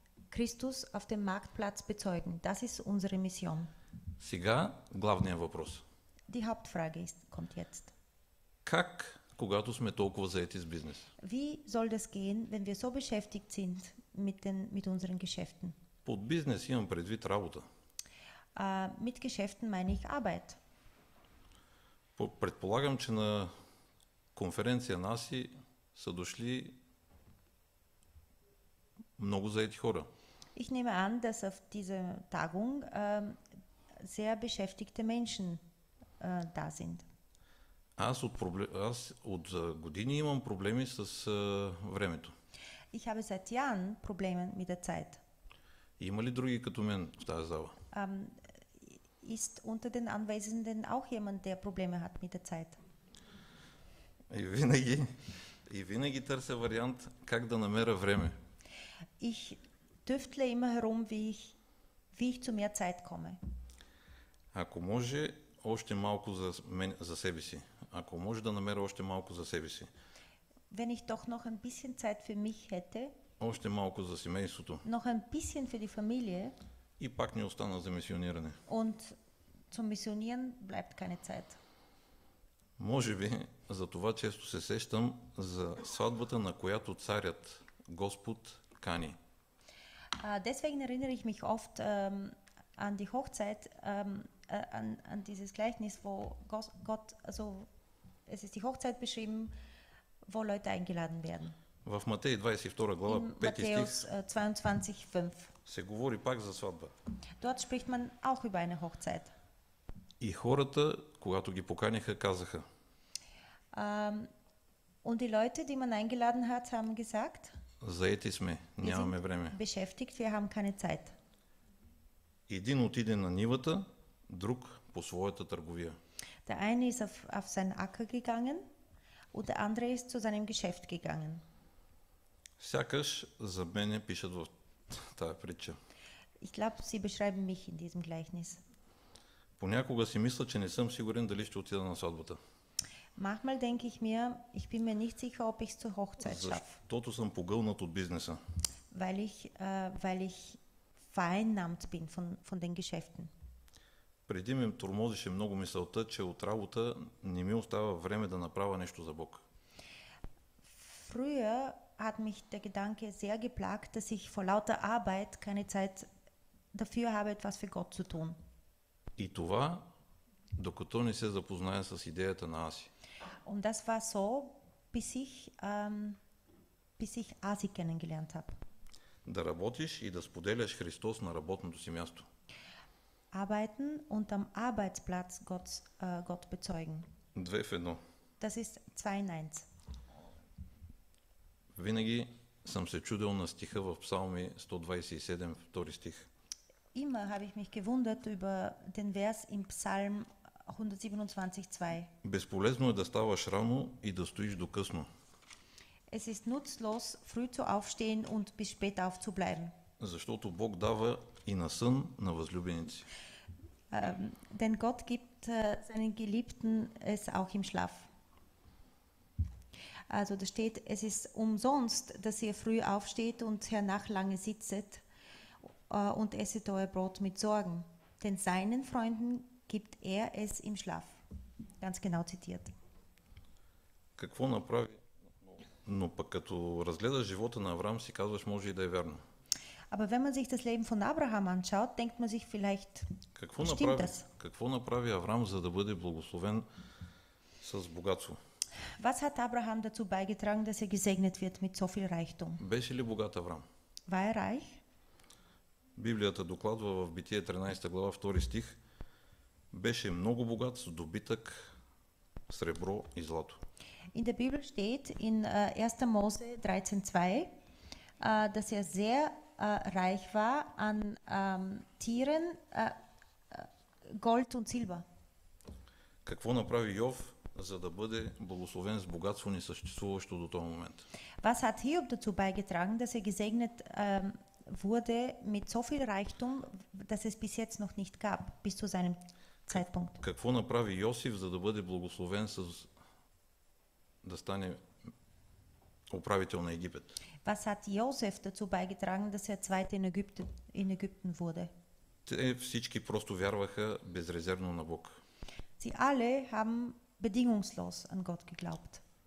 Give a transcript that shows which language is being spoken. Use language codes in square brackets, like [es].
[de] Christus auf dem Marktplatz bezeugen. Das ist unsere Mission. [bg] Сега главният въпрос. [de] Die Hauptfrage kommt jetzt. [bg] Как, когато сме толкова заети с бизнес? [de] Wie soll das gehen, wenn wir so beschäftigt sind mit unseren Geschäften? [bg] Под бизнес имам предвид работа. [de] Mit Geschäften meine ich Arbeit. [bg] Предполагам, че на конференция НАСИ са дошли много заети хора. [de] Ich nehme an, dass auf dieser Tagung sehr beschäftigte Menschen da sind. [bg] Аз от години имам проблеми с времето. [de] Ich habe seit Jahren Probleme mit der Zeit. [bg] Има ли други като мен в тази зала? [de] Ist unter den Anwesenden auch jemand, der Probleme hat mit der Zeit? [bg] И винаги търся вариант как да намеря време. Ich tüftle immer herum, wie ich zu mehr Zeit komme. Ако може още малко за себе си. Ако може да намеря още малко за себе си. [de] Wenn ich doch noch ein bisschen Zeit für mich hätte. [bg] Още малко за семейството. [de] Noch ein bisschen für die Familie. [bg] И пак не остана за мисиониране. [de] Und zum Missionieren bleibt keine Zeit. [bg] Може би за това често се сещам за сватбата, на която царят Господ кани. [de] Deswegen erinnere ich mich oft an die Hochzeit, an dieses Gleichnis, wo Gott, also es ist die Hochzeit beschrieben, wo Leute eingeladen werden. [bg] В Матей 22 глава, 5 стих, се говори пак за сватба. [de] Dort spricht man auch über eine Hochzeit. [bg] И хората, когато ги поканиха, казаха. [de] Und die Leute, die man eingeladen hat, haben gesagt, [bg] заети сме, нямаме време. [de] Beschäftigt, wir haben keine Zeit. [bg] Един отиде на нивата, друг по своята търговия. [de] Der eine ist auf seinen Acker gegangen und der andere ist zu seinem Geschäft gegangen. [bg] Сякаш за мене пишат в тая притча. [de] Ich glaube, sie beschreiben mich in diesem Gleichnis. [bg] Понякога си мисля, че не съм сигурен дали ще отида на сватбата. [de] Manchmal denke ich mir, ich bin mir nicht sicher, ob ich zur Hochzeit schaffe. [bg] Защото съм погълнат от бизнеса. [de] Weil ich vereinnahmt bin von den Geschäften. [bg] Преди ме тормозеше много мисълта, че от работа не ми остава време да направя нещо за Бог. [de] Früher hat mich der Gedanke sehr geplagt, dass ich vor lauter Arbeit keine Zeit dafür habe, etwas für Gott zu tun. [bg] И това, докато не се запознае с идеята на Аси. [de] Und das war so, bis ich Аси kennengelernt habe. [bg] Да работиш и да споделяш Христос на работното си място. [de] Arbeiten und am Arbeitsplatz Gott bezeugen. [bg] Две в едно. [de] Das ist 2-1. [bg] Винаги съм се чудил на стиха в Псалми 127, втори стих. [de] Immer habe ich mich gewundert über den Vers im Psalm 127:2. [bg] Безполезно е да ставаш рано и да стоиш до късно. [de] Es ist nutzlos, früh zu aufstehen und bis spät aufzubleiben. [bg] Защото Бог дава и на сън на възлюбеници. [de] Denn Gott gibt seinen Geliebten es auch im Schlaf. Also da steht, es ist umsonst, dass ihr früh aufsteht und hernach lange sitzet und esset euer Brot mit Sorgen. Denn seinen Freunden gibt er es im Schlaf. Ganz genau zitiert. [bg] Какво направи? Но пък като разгледаш живота на Авраам, си казваш, може и да е вярно. [de] Aber wenn man sich das Leben von Abraham anschaut, denkt man sich vielleicht, stimmt das? [bg] Какво направи Авраам, за да бъде благословен с богатство? [de] Was hat Abraham dazu beigetragen, dass er gesegnet wird mit so viel Reichtum? [bg] Беше ли богат Авраам? [de] War er reich? [bg] Библията докладва в Битие 13 глава 2 стих, беше много богат с добитък, сребро и злато. [de] In der Bibel steht in 1. Mose 13:2, dass er sehr reich war an Tieren, Gold und Silber. [bg] Какво направи Йов, за да бъде благословен с богатство, не съществуващо до този момент? [de] Was hat Hiob dazu beigetragen, dass er gesegnet wurde mit so viel Reichtum, dass es bis jetzt noch nicht gab, bis zu seinem Zeitpunkt? [bg] Какво направи Йосиф, за да бъде благословен с да стане управител на Египет? [de] Was hat Josef dazu beigetragen, dass er zweiter in Ägypten wurde? [bg] Те всички просто вярваха безрезервно на Бог. [de] Sie alle haben bedingungslos an Gott geglaubt.